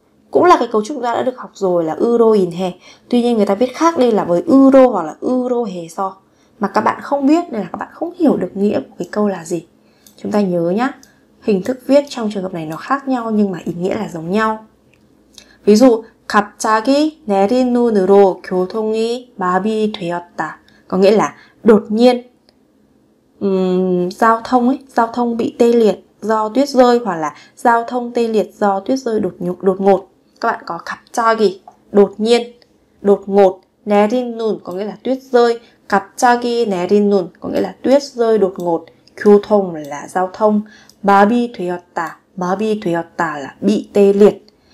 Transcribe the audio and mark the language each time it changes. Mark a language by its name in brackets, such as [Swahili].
[Vietnamese] Cũng là cái cấu trúc chúng ta đã được học rồi là [Korean] 으로 인해. [Vietnamese] Tuy nhiên người ta viết khác đi là với 으로 hoặc là [Korean] 으로 해서. [Vietnamese] Mà các bạn không biết nên là các bạn không hiểu được nghĩa của cái câu là gì. Chúng ta nhớ nhá, hình thức viết trong trường hợp này nó khác nhau nhưng mà ý nghĩa là giống nhau. Ví dụ, [Korean] 갑자기 내린 눈으로 교통이 마비 되었다. [Vietnamese] Có nghĩa là đột nhiên giao thông ấy, giao thông bị tê liệt do tuyết rơi hoặc là giao thông tê liệt do tuyết rơi đột ngột. Các bạn có 갑자기, đột nhiên, đột ngột, 내린 눈 có nghĩa là tuyết rơi, [Korean] 갑자기 내린 눈 [Vietnamese] có nghĩa là tuyết rơi đột ngột, 교통 là giao thông, [Korean] 마비 되었다 [Vietnamese] là bị tê liệt.